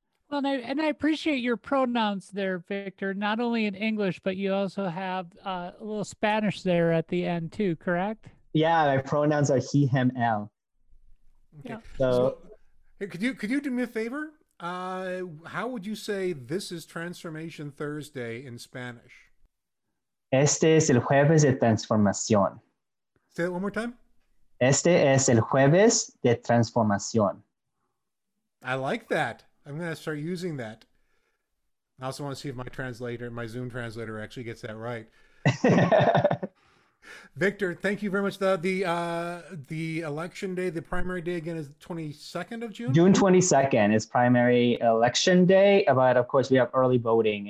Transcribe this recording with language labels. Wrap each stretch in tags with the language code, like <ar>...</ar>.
<en>Well, and I appreciate your pronouns there, Victor, not only in English, but you also have a little Spanish there at the end too, correct? Yeah, my pronouns are he, him, él. Okay. So hey, could you do me a favor? How would you say this is Transformation Thursday in Spanish?</en> <es>Este es el jueves de transformación.</es> <en>Say that one more time.</en> <es>Este es el jueves de transformación.</es> <en>I like that. I'm going to start using that. I also want to see if my translator, my Zoom translator, actually gets that right. Victor, thank you very much. The election day, the primary day again is the 22nd of June? June 22nd is primary election day. But of course, we have early voting.</en>